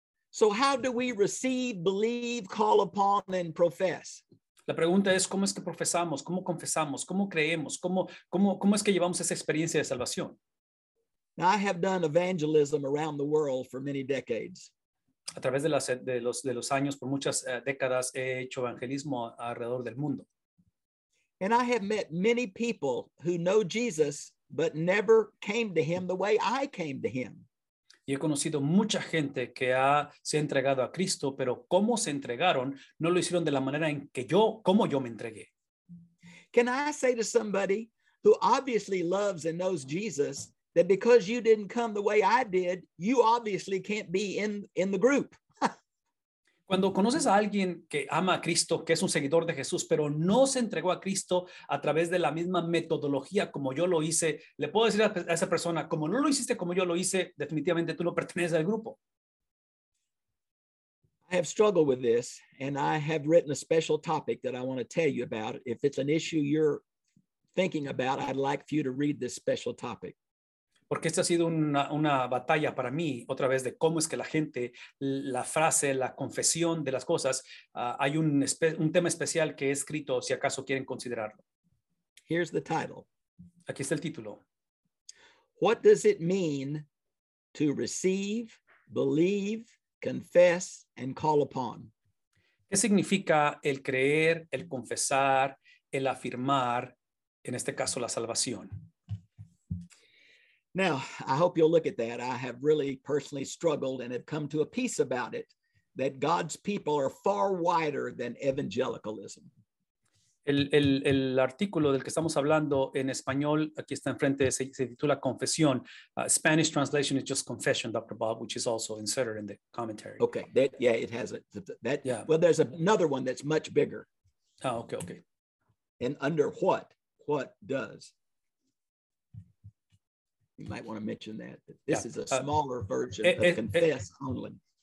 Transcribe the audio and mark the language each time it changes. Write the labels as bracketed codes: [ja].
[en] So how do we receive, believe, call upon, and profess? [es] La pregunta es, ¿cómo es que profesamos? ¿Cómo confesamos? ¿Cómo creemos? ¿Cómo es que llevamos esa experiencia de salvación? [en] Now, I have done evangelism around the world for many decades. [es] A través de los años, por muchas décadas, he hecho evangelismo alrededor del mundo. [en] And I have met many people who know Jesus, but never came to him the way I came to him. [es] Y he conocido mucha gente que se ha entregado a Cristo, pero cómo se entregaron, no lo hicieron de la manera en que yo me entregué. [en] Can I say to somebody who obviously loves and knows Jesus that because you didn't come the way I did, you obviously can't be in the group? [es] Cuando conoces a alguien que ama a Cristo, que es un seguidor de Jesús, pero no se entregó a Cristo a través de la misma metodología como yo lo hice, le puedo decir a esa persona, como no lo hiciste como yo lo hice, definitivamente tú no perteneces al grupo. [en] I have struggled with this, and I have written a special topic that I want to tell you about. If it's an issue you're thinking about, I'd like for you to read this special topic. [es] Porque esta ha sido una batalla para mí, otra vez, de cómo es que la gente, la frase, la confesión de las cosas, hay un tema especial que he escrito, si acaso quieren considerarlo. [en] Here's the title. [es] Aquí está el título. [en] What does it mean to receive, believe, confess, and call upon? [es] ¿Qué significa el creer, el confesar, el afirmar, en este caso, la salvación? [en] Now, I hope you'll look at that. I have really personally struggled and have come to a peace about it. that God's people are far wider than evangelicalism. [es] El artículo del que estamos hablando en español, aquí está enfrente, se titula Confesión. [en] Spanish translation is just Confession, Dr. Bob, which is also inserted in the commentary. Okay, it has it. Well, there's another one that's much bigger. Oh, okay. And under what? What does? You might want to mention that. This is a smaller version of Confess only.